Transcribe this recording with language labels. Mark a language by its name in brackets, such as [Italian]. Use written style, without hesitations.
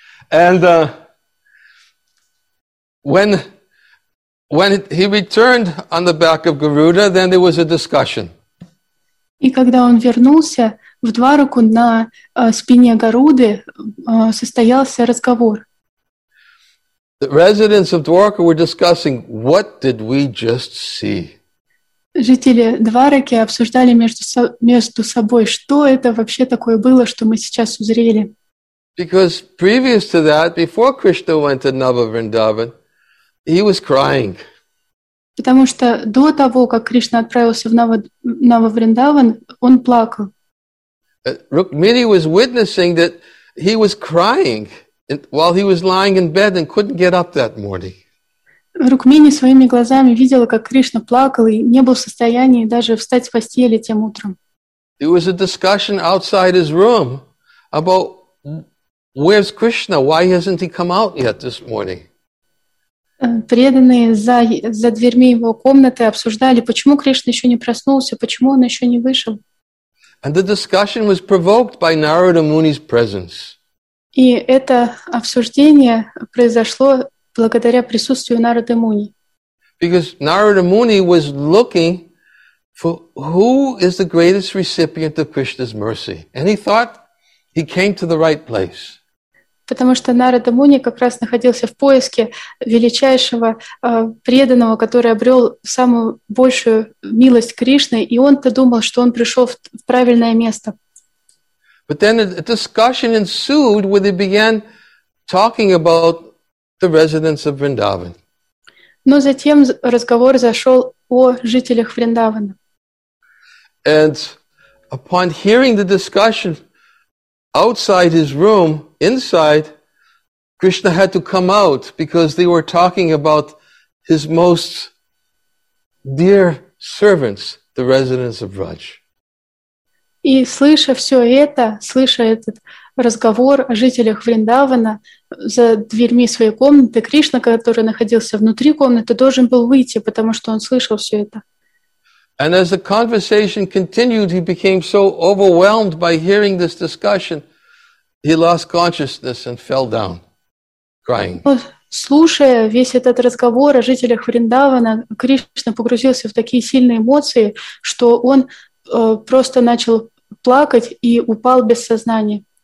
[English] And when he returned on the back of Garuda, then there was a discussion. [Russian] И когда он вернулся в Двараку на спине Гаруды, состоялся разговор. [English] The residents of Dwarka were discussing, what did we just see? [Russian] Жители Двараки обсуждали между собой, что это вообще такое было, что мы сейчас узрели. [English] Because previous to that, before Krishna went to Nava Vrindavan, he was crying. [Russian] Потому что до того, как Кришна отправился в Нава Вриндаван, он плакал. [English] Rukmini was witnessing that he was crying while he was lying in bed and couldn't get up that morning. [Russian] Рукмини своими глазами видела, как Кришна плакал и не был в состоянии даже встать с постели тем утром. [English] There was a discussion outside his room about where's Krishna, why hasn't he come out yet this morning? [Russian] Преданные за дверьми его комнаты обсуждали, почему Кришна еще не проснулся, почему он еще не вышел. [English] And the discussion was provoked by Narada Muni's presence. [Russian] И это обсуждение произошло благодаря присутствию Нарады Муни. [English] Because Narada Muni was looking for who is the greatest recipient of Krishna's mercy. And he thought he came to the right place. [Russian] Потому что Нарада Муни как раз находился в поиске величайшего преданного, который обрел самую большую милость Кришны, и он-то думал, что он пришел в правильное место. [English] But then a discussion ensued where they began talking about the residents of Vrindavan. [Russian] Но затем разговор зашел о жителях Вриндавана. [English] And upon hearing the discussion outside his room, inside, Krishna had to come out because they were talking about his most dear servants, the residents of Braj. [Russian] И слыша все это, слыша этот разговор о жителях Вриндавана за дверьми своей комнаты, Кришна, который находился внутри комнаты, должен был выйти, потому что он слышал все это. [English] And as the conversation continued, he became so overwhelmed by hearing this discussion, he lost consciousness and fell down, crying. [Russian] Слушая весь этот разговор о жителях Вриндавана, Кришна погрузился в такие сильные эмоции, что он просто начал плакать и упал без сознания.